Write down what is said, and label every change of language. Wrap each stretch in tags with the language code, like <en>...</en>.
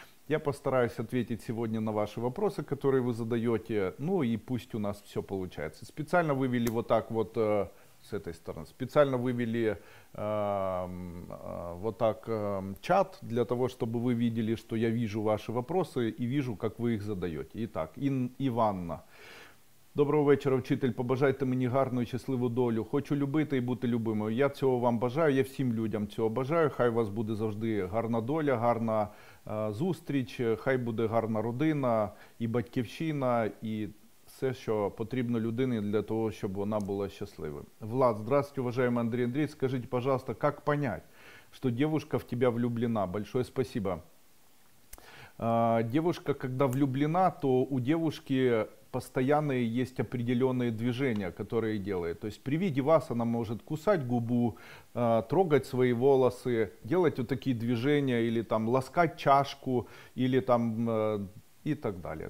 <ru>Я постараюсь ответить сегодня на ваши вопросы, которые вы задаете. Ну и пусть у нас все получается. Специально вывели вот так вот с этой стороны. Специально вывели вот так чат для того, чтобы вы видели, что я вижу ваши вопросы и вижу, как вы их задаете. Итак, Іванна.</ru> <uk>Доброго вечора, вчитель. Побажайте мені гарну і щасливу долю. Хочу любити і бути любимою. Я цього вам бажаю, я всім людям цього бажаю. Хай у вас буде завжди гарна доля, гарна зустріч, хай буде гарна родина і батьківщина, і все, що потрібно людині для того, щоб вона була щасливою. Влад,</uk> <ru>здравствуйте, уважаемый</ru> <uk>Андрій Андрійович. Скажіть, пожалуйста, як понять, що дівчинка в тебе влюблена?</uk> <ru>Большое спасибо. Девушка, когда влюблена, то у девушки постоянные есть определенные движения, которые делает. То есть при виде вас она может кусать губу, трогать свои волосы, делать вот такие движения, или там ласкать чашку, или там и так далее.</ru>